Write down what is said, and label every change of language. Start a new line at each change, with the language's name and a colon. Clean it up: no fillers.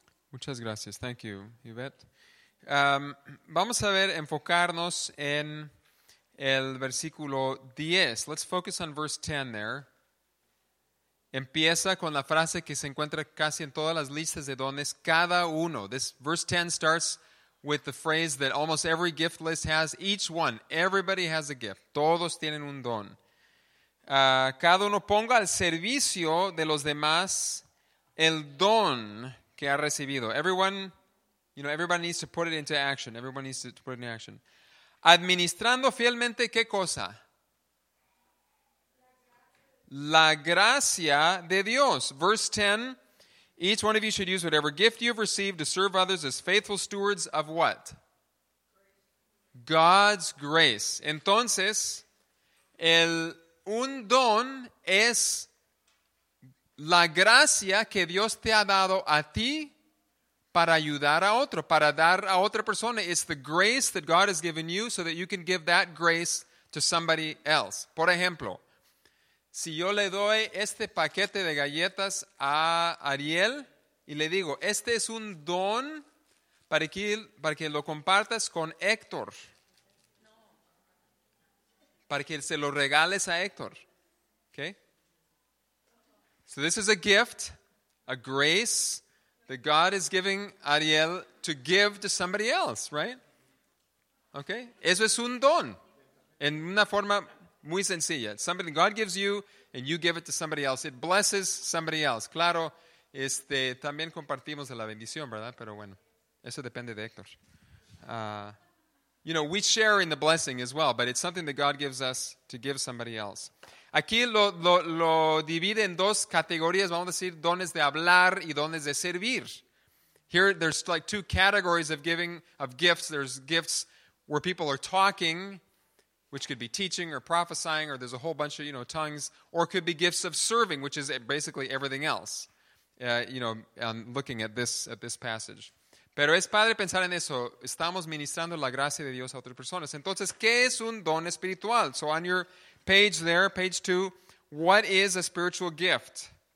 Spanish: Muchas gracias.
English: Thank you, Yvette.
Spanish: Vamos a ver, enfocarnos en el versículo 10.
English: Let's focus on verse 10 there.
Spanish: Empieza con la frase que se encuentra casi en todas las listas de dones, cada uno.
English: This verse 10 starts with the phrase that almost every gift list has, each one. Everybody has a gift.
Spanish: Todos tienen un don. Cada uno ponga al servicio de los demás el don que ha recibido.
English: Everyone, you know, everybody needs to put it into action. Everyone needs to put it into action.
Spanish: Administrando fielmente, ¿qué cosa? La gracia de Dios.
English: Verse 10, each one of you should use whatever gift you've received to serve others as faithful stewards of what? God's grace.
Spanish: Entonces, un don es la gracia que Dios te ha dado a ti para ayudar a otro, para dar a otra persona.
English: It's the grace that God has given you so that you can give that grace to somebody else.
Spanish: Por ejemplo, si yo le doy este paquete de galletas a Ariel y le digo, este es un don para que lo compartas con Héctor. Para que se lo regales a Héctor. Okay?
English: So this is a gift, a grace that God is giving Ariel to give to somebody else, right? Okay?
Spanish: Eso es un don. En una forma muy sencilla.
English: Something God gives you and you give it to somebody else. It blesses somebody else.
Spanish: Claro, también compartimos de la bendición, ¿verdad? Pero bueno, eso depende de Héctor.
English: You know, we share in the blessing as well, but it's something that God gives us to give somebody else.
Spanish: Aquí lo divide en dos categorías, vamos a decir, dones de hablar y dones de servir.
English: Here, there's like two categories of giving, of gifts. There's gifts where people are talking, which could be teaching or prophesying, or there's a whole bunch of, you know, tongues, or it could be gifts of serving, which is basically everything else, you know, looking at this passage.
Spanish: Pero es padre pensar en eso. Estamos ministrando la gracia de Dios a otras personas. Entonces, ¿qué es un don espiritual?
English: So on your page there, page 2, what is a spiritual gift?